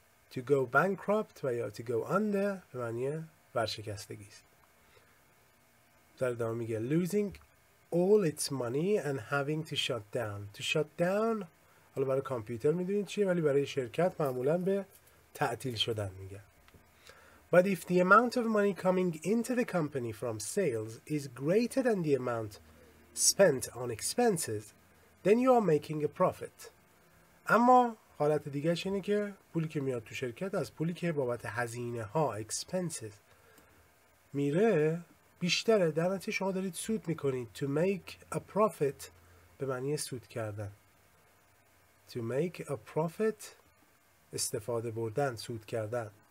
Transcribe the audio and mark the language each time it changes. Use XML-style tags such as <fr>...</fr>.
<en>to go bankrupt</en> <fa>و یا</fa> <en>to go under</en> <fa>به معنی ورشکستگی است. در ادامه میگه</fa> <en>losing all its money and having to shut down. To shut down</en> <fa>حالا برای کامپیوتر میدونید چیه، ولی برای شرکت معمولا به تعطیل شدن میگن.</fa> <en>But if the amount of money coming into the company from sales is greater than the amount spent on expenses, then you are making a profit.</en> <fa>اما حالت دیگه اینه که پولی که میاد تو شرکت از پولی که بابت هزینه ها expenses میره بیشتره، در نتیجه شما دارید سود میکنید.</fa> <en>To make a profit</en> <fa>به معنی سود کردن.</fa> <en>To make a profit</en> <fa>استفاده بردن، سود کردن.</fa>